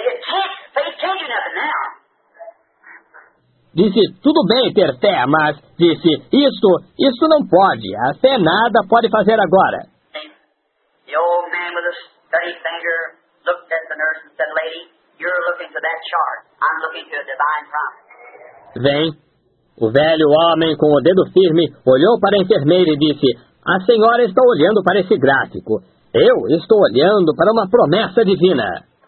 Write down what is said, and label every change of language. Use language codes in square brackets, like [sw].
[en] Faith, it can't do nothing now. [pt] Disse, tudo bem ter fé, mas disse, isso não pode. A fé nada pode fazer agora. [en] The old man with a steady finger looked at the nurse and said, lady, you're looking to that chart. I'm looking to a divine promise. [pt] Vem. O velho homem com o dedo firme olhou para a enfermeira e disse, a senhora está olhando para esse gráfico. Eu estou olhando para uma promessa divina.